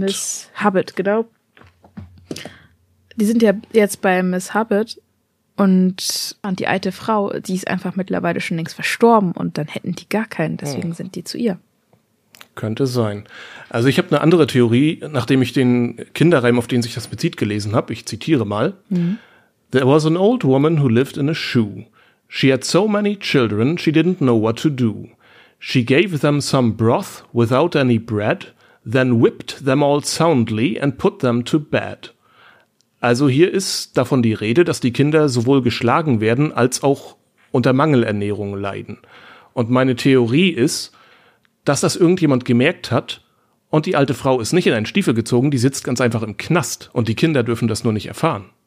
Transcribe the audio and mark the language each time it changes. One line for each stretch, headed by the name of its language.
German: Miss Hubbard, genau. Die sind ja jetzt bei Miss Hubbard Und die alte Frau, die ist einfach mittlerweile schon längst verstorben und dann hätten die gar keinen, deswegen sind die zu ihr. Könnte sein. Also ich habe eine andere Theorie, nachdem ich den Kinderreim, auf den sich das bezieht, gelesen habe. Ich zitiere mal. Mhm.
English: There was an old woman who lived in a shoe. She had so many children, she didn't know what to do. She gave them some broth without any bread, then whipped them all soundly and put them to bed.
German: Also hier ist davon die Rede, dass die Kinder sowohl geschlagen werden, als auch unter Mangelernährung leiden. Und meine Theorie ist, dass das irgendjemand gemerkt hat und die alte Frau ist nicht in einen Stiefel gezogen, die sitzt ganz einfach im Knast und die Kinder dürfen das nur nicht erfahren.